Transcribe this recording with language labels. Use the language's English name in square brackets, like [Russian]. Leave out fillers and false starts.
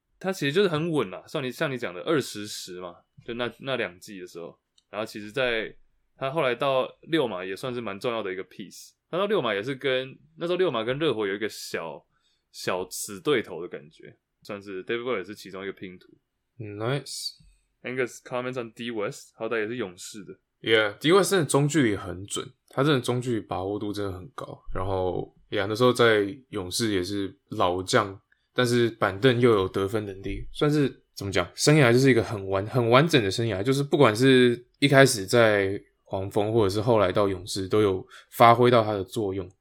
[Chinese] 他其实就是很稳啦，像你讲的20-10嘛，就那两季的时候，然后其实在他后来到六马也算是蛮重要的一个 piece。他到六马也是跟那时候六马跟热火有一个小死对头的感觉，算是 David West 也是其中一个拼图。 [English] Nice. Angus comments on D West， [Chinese] 好歹也是勇士的。 Yeah, D West 真的中距离很准，他真的中距离把握度真的很高。然后 ，Yeah， 那时候在勇士也是老将，但是板凳又有得分能力，算是怎么讲？生涯就是一个很完整的生涯，就是不管是一开始在黄蜂，或者是后来到勇士，都有发挥到他的作用。